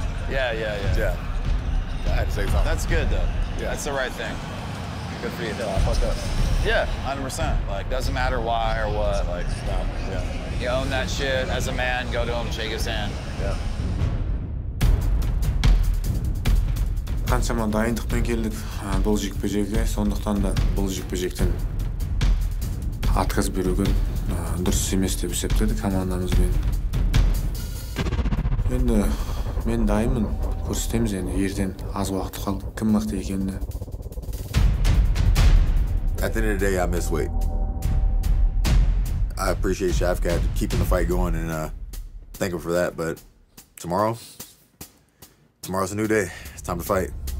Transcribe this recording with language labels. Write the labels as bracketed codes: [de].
[en] Yeah. I had to say something. That's good, though. Yeah. That's the right thing. Good for you, though. I fucked up. Yeah, 100%. Like, doesn't matter why or what. Like, no. Yeah. You own that shit. As a man, go to him, shake his hand. Yeah. [kk] Қаншама дайындықпен келдік бұл жекпе-жегіге, сондықтан да бұл жекпе-жектен отказ беруге дұрыс емес деп есептеді командамызбен. Енді мен дайынмын, көрсетеміз енді ертең, аз уақыт қалды, кім мықты екенін. [en] At the end of the day, I miss weight. I appreciate Shavkat keeping the fight going and thank him for that, but tomorrow's a new day. It's time to fight.